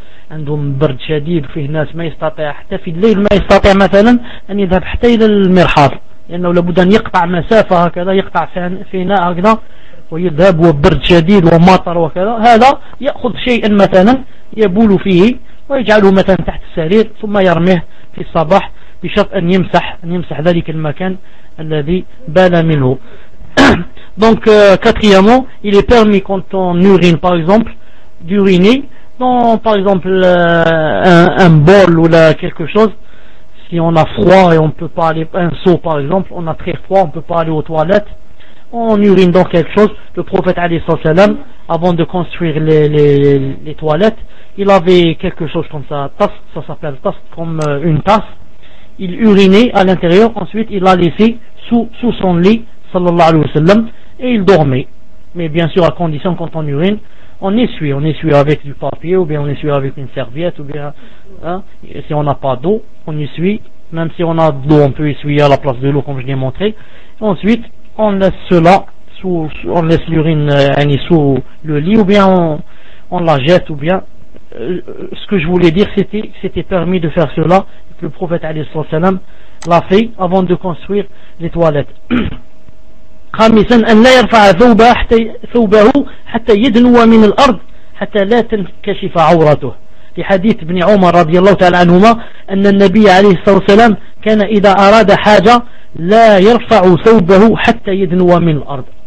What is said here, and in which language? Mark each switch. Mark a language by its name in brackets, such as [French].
[Arabic] عندهم برد شديد وفيه ناس ما يستطيع حتى في الليل ما يستطيع مثلا أن يذهب حتى إلى المرحاض لأنه لابد أن يقطع مسافة هكذا يقطع فيناء هكذا ويذهب وبرد شديد ومطر وكذا هذا يأخذ شيئا مثلا يبول فيه ويجعله مثلا تحت السرير ثم يرميه في الصباح بشرط أن يمسح ذلك المكان الذي بال منه. [French] Donc quatrièmement, il est permis quand on urine par exemple d'uriner dans par exemple un bol ou là quelque chose. Si on a froid et on peut pas aller un seau par exemple, on a très froid, on peut pas aller aux toilettes, on urine dans quelque chose. Le prophète [Arabic] alayhi salatu wasalam, [French] avant de construire les toilettes, il avait quelque chose comme ça, tasse, ça s'appelle tasse, comme une tasse. Il urinait à l'intérieur, ensuite il l'a laissé sous son lit. [Arabic] Sallallahu alayhi wa sallam, [French] et il dormait. Mais bien sûr, à condition, quand on urine, on essuie avec du papier, ou bien on essuie avec une serviette, ou bien, hein, si on n'a pas d'eau, on essuie. Même si on a de l'eau, on peut essuyer à la place de l'eau, comme je l'ai montré. Ensuite, on laisse cela, on laisse l'urine sous le lit, ou bien on la jette, ou bien. Ce que je voulais dire, c'était permis de faire cela, que le prophète alayhi wa sallam l'a fait avant de construire les toilettes. [Arabic] خامسا أن لا يرفع ثوبه حتى يدنو من الأرض حتى لا تنكشف عورته. في حديث ابن عمر رضي الله تعالى عنهما أن النبي عليه الصلاة والسلام كان إذا أراد حاجة لا يرفع ثوبه حتى يدنو من الأرض.